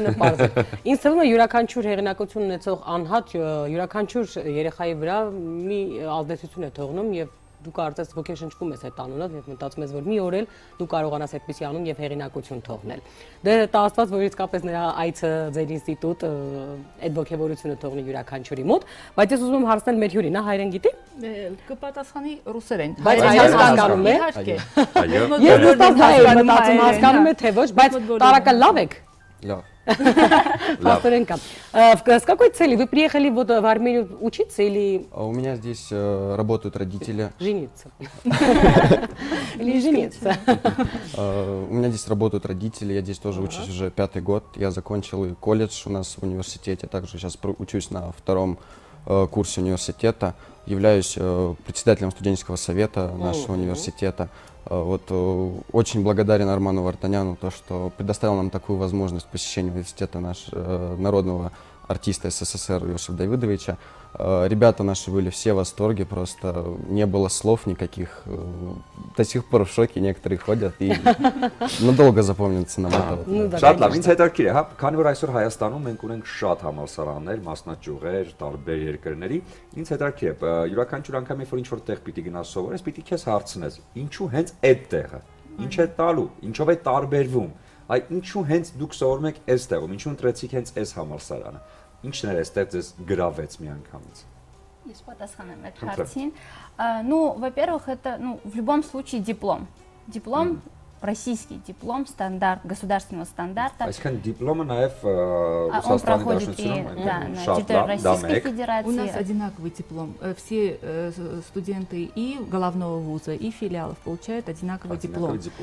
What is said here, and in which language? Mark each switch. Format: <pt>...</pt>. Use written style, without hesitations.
<hy>Դե ոգևորությունը պարզ է։ Ինձ թվում է յուրաքանչյուր հեղինակություն ունեցող անհատ յուրաքանչյուր երեխայի վրա մի ազդեցություն է թողնում, և դու կարծես ոգեշնչվում ես այդ անունով, և մտածում ես, որ մի օր էլ դու կարողանաս այդպիսի անուն և հեղինակություն թողնել։ Դե Աստված, որ իսկապես նրա այցը ձեր ինստիտուտ այդ ոգևորությունը թողնի յուրաքանչյուրի մոտ, բայց ես ուզում եմ հարցնել մեր հյուրին, նա հայրեն գիտի։ Կպատասխանի ռուսերեն։ Բայց հասկանում է։ Իհարկե։ Այո։ Ես դուք հայեր մտածում հասկանում եք թե ոչ, բայց տարակը լավ եք։ Լավ։</hy> <ru>Повторенка. С какой цели вы приехали вот в Армению учиться или? У меня здесь работают родители. Жениться. Или жениться. У меня здесь работают родители, я здесь тоже учусь уже 5-й год. Я закончил колледж у нас в университете, также сейчас учусь на втором курсе университета. Являюсь председателем студенческого совета нашего университета. Вот очень благодарен Арману Вартаняну то, что предоставил нам такую возможность посещения университета нашего народного артиста СССР Иосифа Давидовича. Ребята наши были все в восторге, просто не было слов никаких. До сих пор в шоке некоторые ходят и надолго запомнится нам это.</ru> <hy>Շատ լավ, ինձ հետաքրքիր է, հա, քանի որ այսօր Հայաստանում մենք ունենք շատ համալսարաններ, մասնաճյուղեր, տարբեր երկրների, ինձ հետաքրքիր է, յուրաքանչյուր անգամ, երբ որ ինչ-որ տեղ պիտի գնաս սովորես, պիտի քեզ հարցնես, ինչու հենց այդ տեղը, ինչ է տալու, ինչով է տարբերվում, այ ինչու հենց դուք սովորում եք այս տեղում, ինչու ընտրեցիք հենց այս համալսարանը, ինչն էր այստեղ ձեզ գրավեց միանգամից։ Ես պատասխանեմ այդ հարցին։</hy> <ru>Ну, во-первых, это, ну, в любом случае диплом. Диплом российский диплом, стандарт государственного стандарта. А если диплом на F, он проходит и на территории Российской Федерации. У нас одинаковый диплом. Все студенты и головного вуза, и филиалов получают одинаковый диплом.</ru>